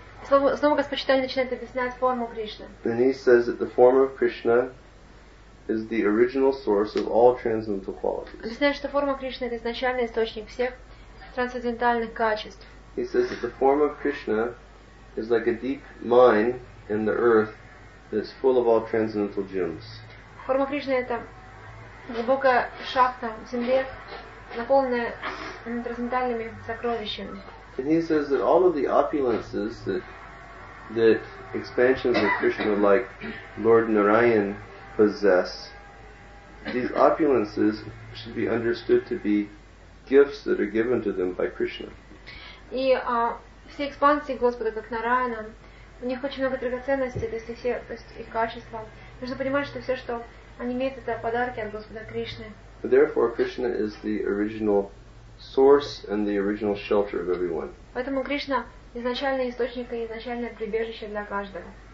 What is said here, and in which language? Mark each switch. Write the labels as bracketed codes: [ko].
[ru] Снова Господь Чайтанья начинает объяснять форму Кришны. [en] Then he says that the form of Krishna is the original source of all transcendental qualities. [ru] Объясняет, что форма Кришны — это изначальный источник всех трансцендентальных качеств. [en] He says that the form of Krishna is like a deep mine in the earth that's full of all transcendental gems. [ru] Форма Кришны — это глубокая шахта в земле, наполненная трансцендентальными сокровищами. [en] And he says that all of the opulences that expansions of Krishna like Lord Narayan possess, these opulences should be understood to be gifts that are given to them by Krishna. [ru] И все экспансии Господа, как Нараяна, у них очень много драгоценностей, то есть их качества. Нужно понимать, что все, что они имеют, это подарки от Господа Кришны. [en] Therefore, Krishna is the original source and the original shelter of everyone. [ru] Поэтому Кришна — изначальный источник и изначальное прибежище для каждого.